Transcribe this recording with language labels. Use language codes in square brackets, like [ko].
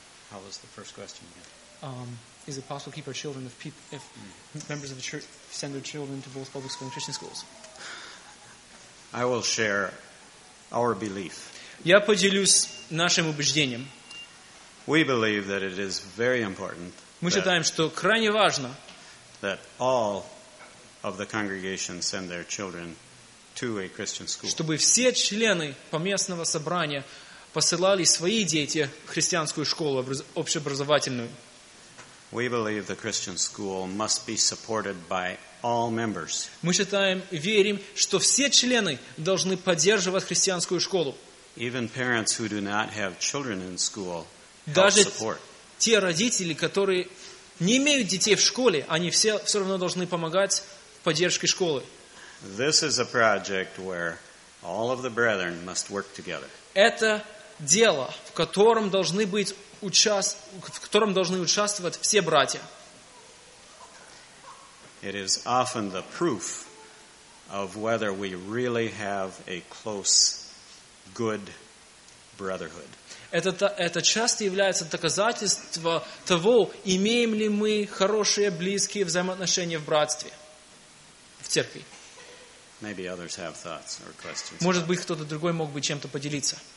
[en] How was the first question again? Is it possible to keep our children if members of the church send their children to both public school and Christian schools? I will share our belief. [ru] Я поделюсь нашим убеждением. [en] We believe that it is very important. [ru] Мы считаем, что крайне важно. [en] That all of the congregation send their children to a Christian school. [ru] Чтобы все члены поместного собрания посылали свои дети в христианскую школу общеобразовательную. [en] We believe the Christian school must be supported by all members. [ru] Мы считаем, верим, что все члены должны поддерживать христианскую школу. [en] Even parents who do not have children in school help support. [ru] Даже те родители, которые не имеют детей в школе, они все равно должны помогать в поддержке школы. [en] This is a project where all of the brethren must work together. [ru] Это дело, в котором должны быть в котором должны участвовать все братья. [en] It is often the proof of whether we really have a close, good brotherhood. [ru] Это часто является доказательством того, имеем ли мы хорошие, близкие взаимоотношения в братстве, в церкви. [en] Maybe others have thoughts or questions. [ru] Может быть, кто-то другой мог бы чем-то поделиться.